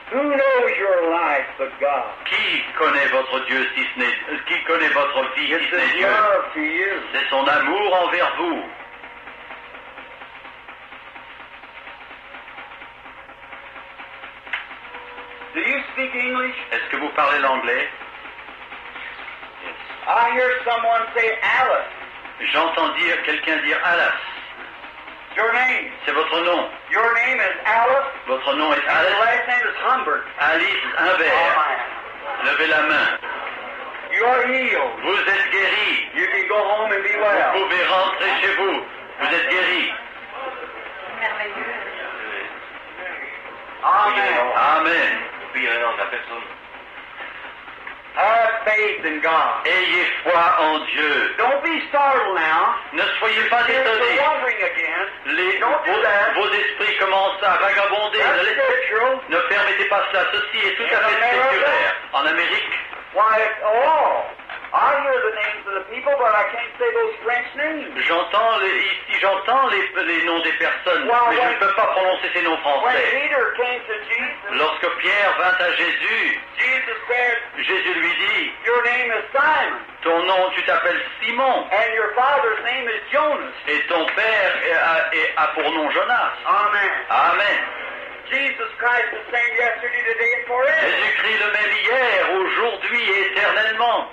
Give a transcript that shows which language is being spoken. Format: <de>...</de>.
<en>Who knows your life but God?</en> <fr>Qui connaît votre Dieu si ce n'est qui connaît votre vie</fr> <en>It's</en> <fr>si ce n'est Dieu? C'est son amour envers vous.</fr> <en>Do you speak English?</en> <fr>Est-ce que vous parlez l'anglais?</fr> <en>Yes. I hear someone say Alice.</en> <fr>J'entends dire quelqu'un dire Alice.</fr> <en>Your name.</en> <fr>C'est votre nom.</fr> <en>Your name is Alice.</en> <fr>Votre nom est Alice.</fr> <en>And your last name is Humbert.</en> <fr>Alice Humbert. Oh, levez la main.</fr> <en>You are healed.</en> <fr>Vous êtes guéri.</fr> <en>You can go home and be well.</en> <fr>Vous pouvez rentrer chez vous. Vous êtes guéri.</fr> <en>Amen.</en> <fr>Amen.</fr> <en>Have faith in God.</en> <fr>Ayez foi en Dieu.</fr> <en>Don't be startled now.</en> <fr>Ne soyez pas étonnés. Vos esprits commencent à vagabonder. Ne permettez pas cela. Ceci est tout</fr> <en>in</en> <fr>à fait</fr> <en>America?</en> <fr>Séculaire. En Amérique.</fr> <en>Why, I hear the names of the people, but I can't say those French names.</en> <fr>J'entends les noms des personnes, mais je ne peux pas prononcer ces noms français.</fr> <en>When Peter came to Jesus,</en> <fr>lorsque Pierre vint à Jésus,</fr> <en>Jesus said,</en> <fr>Jésus lui dit,</fr> <en>your name is Simon.</en> <fr>Ton nom, tu t'appelles Simon.</fr> <en>And your father's name is Jonas.</en> <fr>Et ton père a pour nom Jonas.</fr> <en>Amen.</en> <fr>Amen.</fr> <en>Jesus Christ the same yesterday, today, and forever.</en> <fr>Jésus-Christ le même hier, aujourd'hui, éternellement.</fr>